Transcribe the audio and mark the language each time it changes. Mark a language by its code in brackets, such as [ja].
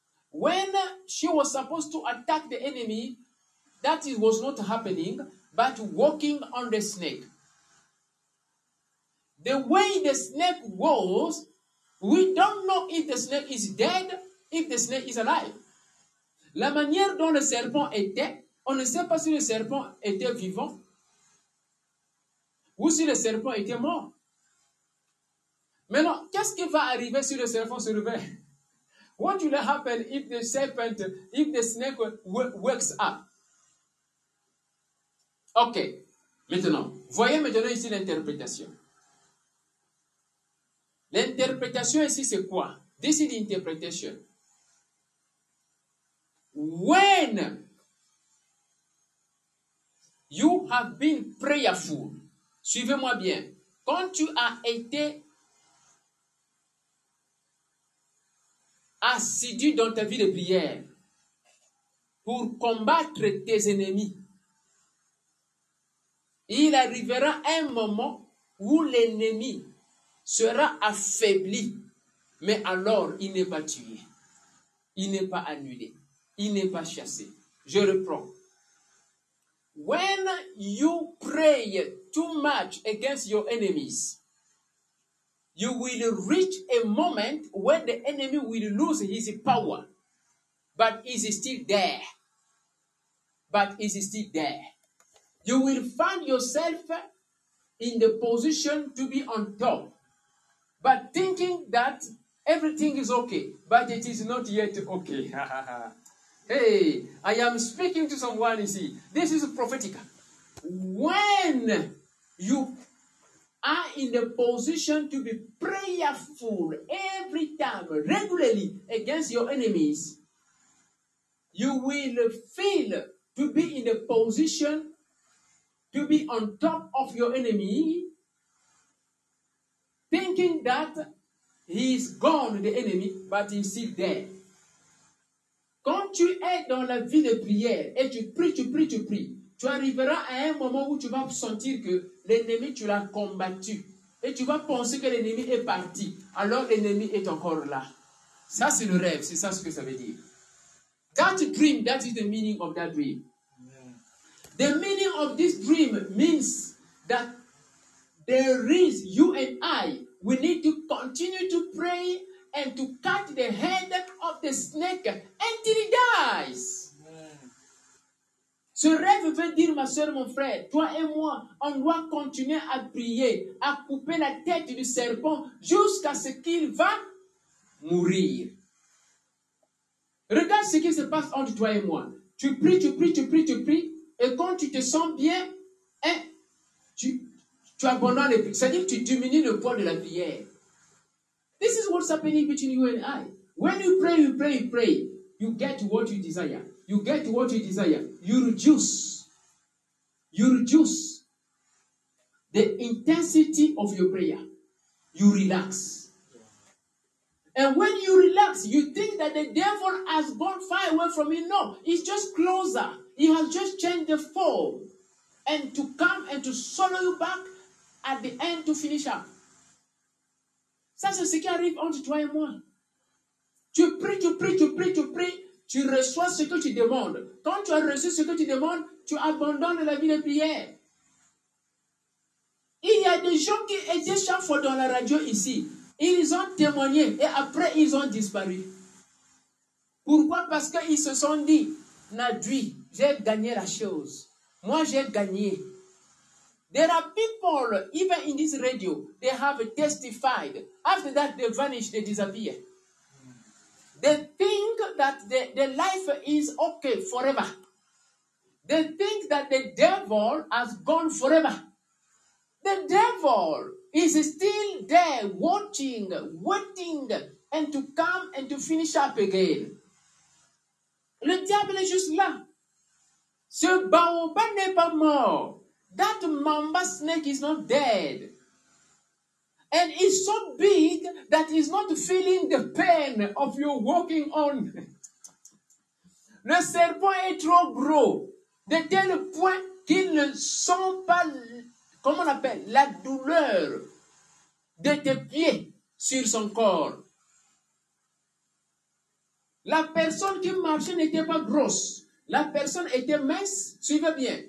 [en] When she was supposed to attack the enemy, that was not happening. But walking on the snake. The way the snake was, we don't know if the snake is dead, if the snake is alive. [fr] La manière dont le serpent était, on ne sait pas si le serpent était vivant ou si le serpent était mort. Maintenant, qu'est-ce qui va arriver si le serpent se réveille? [en] What will happen if the snake wakes up? [fr] Ok, maintenant, voyez maintenant ici l'interprétation. L'interprétation ici, c'est quoi? [en] This is the interpretation. When you have been prayerful, [fr] suivez-moi bien. Quand tu as été assidu dans ta vie de prière pour combattre tes ennemis, il arrivera un moment où l'ennemi sera affaibli, mais alors il n'est pas tué, il n'est pas annulé, il n'est pas chassé. Je reprends. [en] When you pray too much against your enemies, you will reach a moment when the enemy will lose his power, but is still there. But is still there. You will find yourself in the position to be on top, but thinking that everything is okay, but it is not yet okay. Hey, I am speaking to someone, you see. This is prophetic. When you are in the position to be prayerful every time, regularly, against your enemies, you will feel to be in the position to be on top of your enemy, thinking that he is gone, the enemy, but he's still there. [fr] Quand tu es dans la vie de prière et tu pries, tu pries, tu pries, tu arriveras à un moment où tu vas sentir que l'ennemi, tu l'as combattu. Et tu vas penser que l'ennemi est parti. Alors l'ennemi est encore là. Ça, c'est le rêve. C'est ça ce que ça veut dire. [en] That dream, that is the meaning of that dream. The meaning of this dream means that there is you and I. We need to continue to pray and to cut the head of the snake until he dies. Amen. [fr] Ce rêve veut dire, ma soeur, mon frère, toi et moi, on doit continuer à prier, à couper la tête du serpent jusqu'à ce qu'il va mourir. Regarde ce qui se passe entre toi et moi. Tu pries, tu pries, tu pries, tu pries, et quand tu te sens bien, hein, tu abandonnes les prières. C'est-à-dire que tu diminues le poids de la prière. [en] This is what's happening between you and I. When you pray, you pray, you pray, you get what you desire. You get what you desire. You reduce the intensity of your prayer. You relax. And when you relax, you think that the devil has gone far away from you. No, he's just closer. He has just changed the form. And to come and to swallow you back at the end to finish up. [fr] Ça, c'est ce qui arrive entre toi et moi. Tu pries, tu pries, tu pries, tu pries. Tu reçois ce que tu demandes. Quand tu as reçu ce que tu demandes, tu abandonnes la vie de prière. Il y a des gens qui étaient chaque fois dans la radio ici. Ils ont témoigné et après, ils ont disparu. Pourquoi? Parce qu'ils se sont dit, « Nadui, j'ai gagné la chose. Moi, j'ai gagné. [en] » There are people, even in this radio, they have testified. After that, they vanish, they disappear. They think that the life is okay forever. They think that the devil has gone forever. The devil is still there watching, waiting, and to come and to finish up again. [fr] Le diable est juste là. Ce baobab n'est pas mort. [en] That mamba snake is not dead. And it's so big that he's not feeling the pain of your walking on. [fr] Le serpent est trop gros. De tel point qu'il ne sent pas, comment on appelle, la douleur de tes pieds sur son corps. La personne qui marchait n'était pas grosse. La personne était mince. Suivez bien.